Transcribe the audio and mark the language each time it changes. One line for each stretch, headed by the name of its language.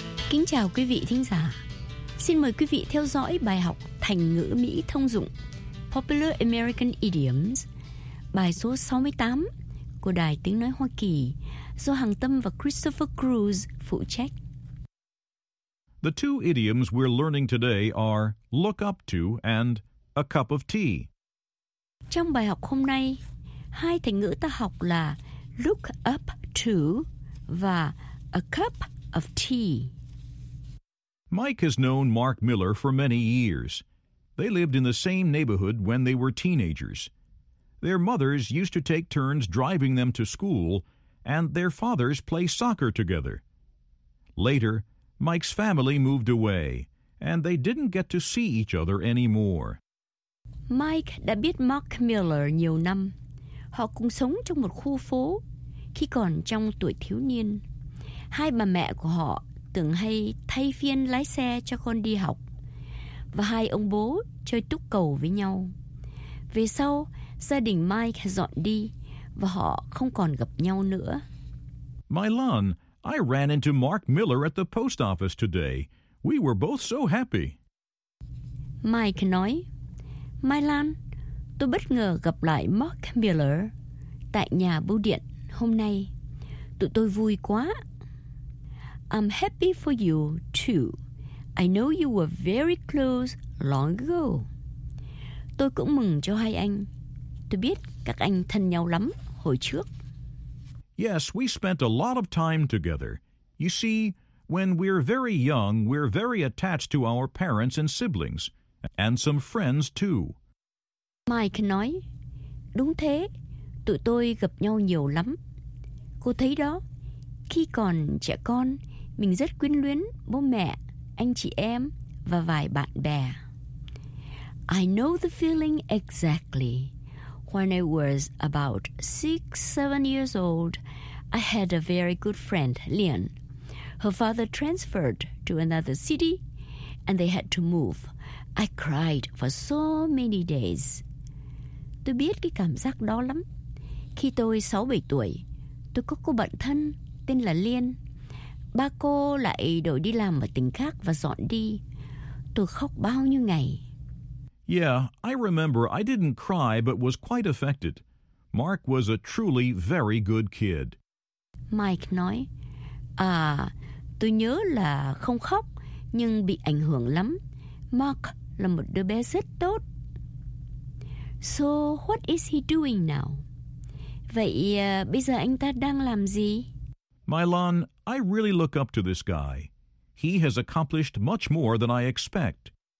Vietnamese: Kính chào quý vị thính giả. Xin mời quý vị theo dõi bài học thành ngữ Mỹ thông dụng Popular American Idioms, bài số 68 của Đài Tiếng Nói Hoa Kỳ do Hằng Tâm và Christopher Cruz phụ trách.
English: The two idioms we're learning today are look up to and a cup of tea.
Vietnamese: Trong bài học hôm nay, hai thành ngữ ta học là
English: look up to
Vietnamese: và
English: a cup of tea. Mike has known Mark Miller for many years. They lived in the same neighborhood when they were teenagers. Their mothers used to take turns driving them to school, and their fathers play soccer together. Later, Mike's family moved away, and they didn't get to see each other anymore.
Vietnamese: Mike đã biết Mark Miller nhiều năm. Họ cùng sống trong một khu phố khi còn trong tuổi thiếu niên. Hai bà mẹ của họ từng hay thay phiên lái xe cho con đi học, và hai ông bố chơi túc cầu với nhau. Về sau, gia đình Mike dọn đi và họ không còn gặp nhau nữa.
English: Milan, I ran into Mark Miller at the post office today. We were both so happy.
Vietnamese: Mike nói, Milan, tôi bất ngờ gặp lại Mark Miller tại nhà bưu điện hôm nay. Tụi tôi vui quá.
English: I'm happy for you, too. I know you were very close long ago.
Vietnamese: Tôi cũng mừng cho hai anh. Tôi biết các anh thân nhau lắm hồi trước.
English: Yes, we spent a lot of time together. You see, when we're very young, we're very attached to our parents and siblings, and some friends, too.
Vietnamese: Mike nói, đúng thế, tụi tôi gặp nhau nhiều lắm. Cô thấy đó, khi còn trẻ con, mình rất quyến luyến bố mẹ, anh chị em và vài bạn bè.
English: I know the feeling exactly. When I was about 6-7 years old, I had a very good friend, Lian. Her father transferred to another city, and they had to move. I cried for so many days.
Vietnamese: Tôi biết cái cảm giác đó lắm. Khi tôi 6-7 tuổi, tôi có cô bạn thân tên là Lian. Ba cô lại đổi đi làm ở tỉnh khác và dọn đi. Tôi khóc bao nhiêu ngày.
English: Yeah, I remember I didn't cry but was quite affected. Mark was a truly very good kid.
Vietnamese: Mike nói, à, tôi nhớ là không khóc nhưng bị ảnh hưởng lắm. Mark là một đứa bé rất tốt.
English: So, what is he doing now?
Vietnamese: Vậy, bây giờ anh ta đang làm gì?
English: Milan, I really look up to this guy. He has accomplished much more than I expect.